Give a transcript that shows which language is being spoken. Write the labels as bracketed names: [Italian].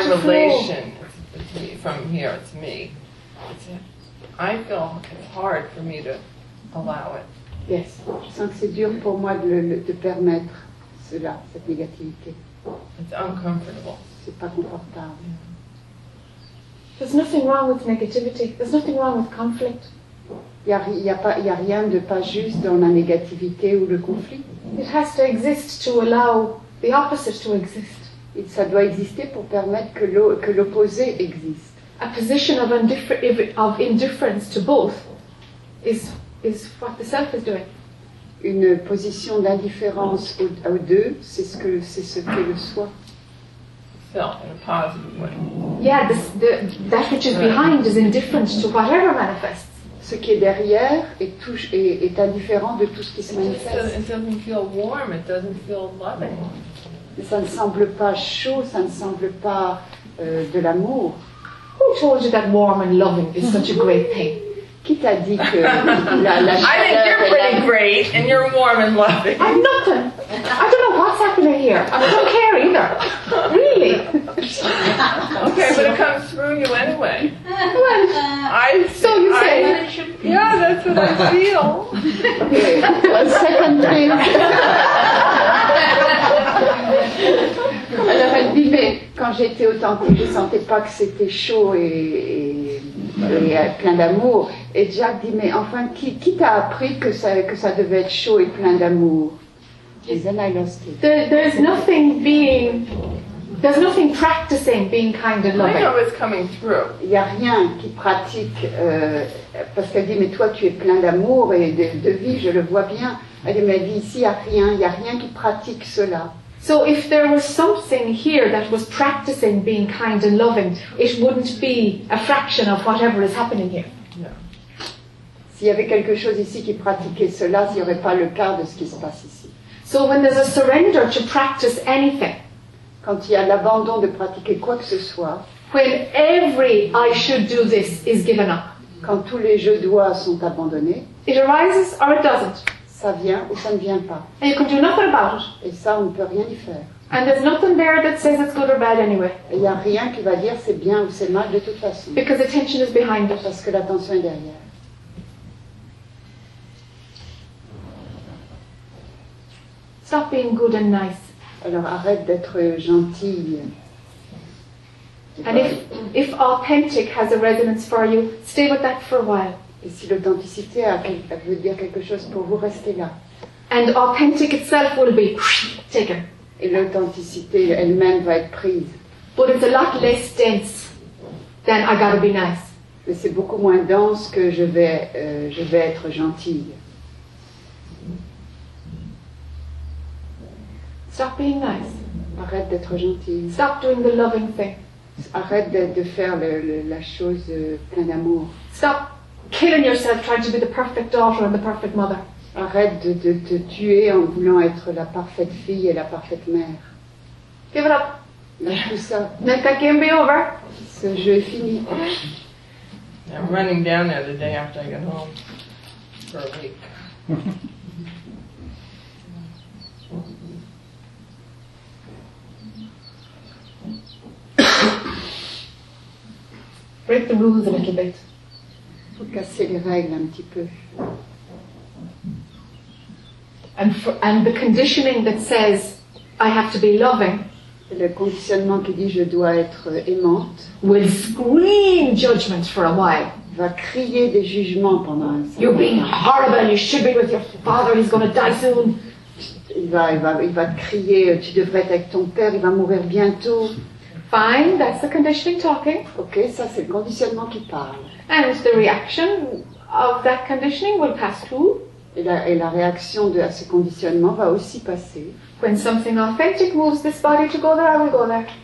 [English] With my relation from here to me, I feel it's hard for me to allow it. Yes. [French] Je sens que c'est dur pour moi de permettre cela, cette négativité. [English] It's uncomfortable. [French] C'est pas confortable. [English] There's nothing wrong with negativity. There's nothing wrong with conflict. [French] Il y a rien de pas juste dans la négativité ou le conflit. [English] It has to exist to allow the opposite to exist. [French] Et ça doit exister pour permettre que l'opposé existe. [English] A position of indifference to both is what the self is doing. [French] Une position d'indifférence aux deux, c'est ce que le soi. [English] No, in a positive way. Yeah, that which is behind is indifferent to whatever manifests. [French] Ce qui est derrière est indifférent de tout ce qui se manifeste. [English] It doesn't feel warm, it doesn't feel loving. [French] Ça ne semble pas chaud, ça ne semble pas de l'amour. [English] Who told you that warm and loving is such a great thing? [French] Qui t'a dit que la chaleur est... [English] I think you're pretty great and you're warm and loving. I'm nothing. I don't know what's happening here. I don't care either. Really? Okay, but it comes through you anyway. Well, So you say. Yeah, that's what I feel. Okay, one second thing. [French] Alors elle dit, mais quand j'étais authentique, je ne sentais pas que c'était chaud et plein d'amour. Et Jack dit, mais enfin, qui t'a appris que ça devait être chaud et plein d'amour? Et [English] then I lost it. There's nothing practicing being kind and loving. I know it's coming through. [French] Il n'y a rien qui pratique, parce qu'elle dit, mais toi, tu es plein d'amour et de vie, je le vois bien. Elle dit, ici, il n'y a rien qui pratique cela. [English] So if there was something here that was practicing being kind and loving, it wouldn't be a fraction of whatever is happening here. [French] S'il y avait quelque chose ici qui pratiquait cela, il n'y aurait pas le quart de ce qui se passe ici. [English] So when there's a surrender to practice anything, [French] quand il y a l'abandon de pratiquer quoi que ce soit, [English] when every I should do this is given up, [French] quand tous les je dois sont abandonnés, [English] it arises or it doesn't. [French] Ça vient ou ça ne vient pas. [English] And you can do nothing about it. [French] Et ça, on ne peut rien y faire. [English] And there's nothing there that says it's good or bad anyway. [French] Il n'y a rien qui va dire c'est bien ou c'est mal de toute façon. [English] Because the tension is behind it. [French] Parce que la tension est derrière. [English] Stop being good and nice. [French] Alors arrête d'être gentille. [English] And if authentic has a resonance for you, stay with that for a while. [French] Et si l'authenticité veut dire quelque chose pour vous, restez là. [English] And authentic itself will be taken. [French] Et l'authenticité elle-même va être prise. [English] But it's a lot less dense than I gotta be nice. [French] Mais c'est beaucoup moins dense que je vais être gentille. [English] Stop being nice. [French] Arrête d'être gentil. [English] Stop doing the loving thing. [French] Arrête de faire la chose plein d'amour. [English] Stop killing yourself trying to be the perfect daughter and the perfect mother. [French] Arrête de te tuer en voulant être la parfaite fille et la parfaite mère. [English] Give it up. [French] Lâche tout ça. [English] Let that game be over. [French] Ce jeu est fini. [English] I'm running down there the day after I get home for a week. Break the rules a little bit. [French] Faut casser les règles un petit peu. [English] And the conditioning that says I have to be loving [French] le conditionnement qui dit je dois être aimante [English] will scream judgments for a while. [French] Va crier des jugements pendant un [English] temps. You're being horrible. You should be with your father. He's gonna die soon. [French] Il va te crier. Tu devrais être avec ton père. Il va mourir bientôt. [English] Fine, that's the conditioning talking. [French] Okay, ça c'est le conditionnement qui parle. [English] And the reaction of that conditioning will pass through. [French] Et la réaction à ce conditionnement va aussi passer. [English] When something authentic moves this body to go there, I will go there.